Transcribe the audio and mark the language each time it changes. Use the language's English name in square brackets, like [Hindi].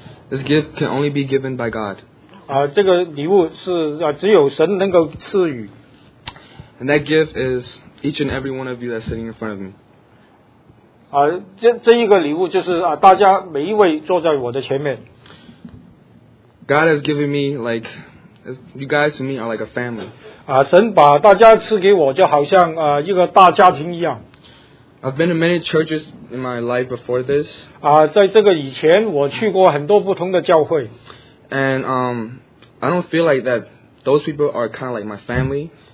[English] This gift can only be given by God. [Chinese] 这个礼物是只有神能够赐予。 [English] And that gift is each and every one of you that's sitting in front of me. [Chinese] 这一个礼物就是大家每一位坐在我的前面。 [English] God has given me like, you guys to me are like a family. [Chinese] 神把大家赐给我就好像一个大家庭一样。 [English] I've been to many churches in my life before this. [Chinese] 在这个以前我去过很多不同的教会。 [English] And I don't feel like that those people are kind of like my family.